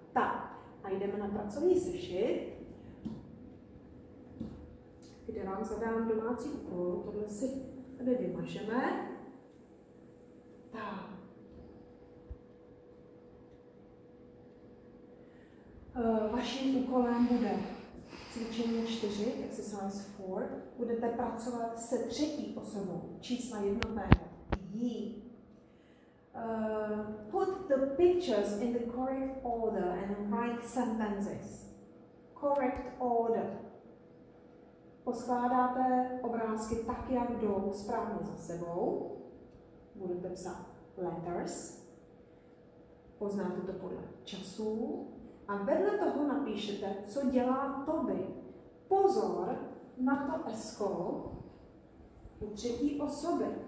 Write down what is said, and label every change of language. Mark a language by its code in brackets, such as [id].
[cs] Tak, a jdeme na pracovní sešit, kde vám zadám domácí úkol, tohle si tady vymažeme. Tak. Vaším úkolem bude cvičení 4, exercise 4, budete pracovat se třetí osobou, čísla jednotného, jí. [en] Put the pictures in the correct order and write sentences. Correct order. [cs] Poskládáte obrázky tak, jak jdou správně za sebou. Budete psát letters. Poznáte to podle času. A vedle toho napíšete, co dělá Toby. Pozor na to esko u třetí osoby.